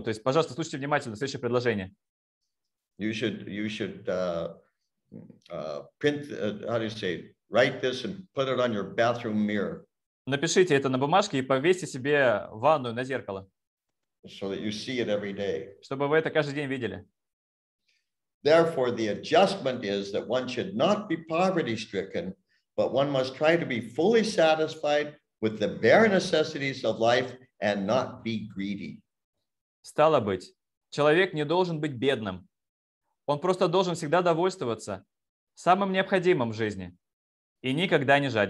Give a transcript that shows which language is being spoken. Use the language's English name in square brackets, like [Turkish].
[Russian] То есть, пожалуйста, слушайте внимательно следующее предложение. Напишите это на бумажке и повесьте себе ванную на зеркало. [English] So that you see it every day. [Russian] Чтобы вы это каждый день видели. [English] Therefore, the adjustment is that one should not be poverty-stricken, but one must try to be fully satisfied with the bare necessities of life and not be greedy. [Russian] Стало быть, человек не должен быть бедным. Он просто должен всегда довольствоваться самым необходимым в жизни и никогда не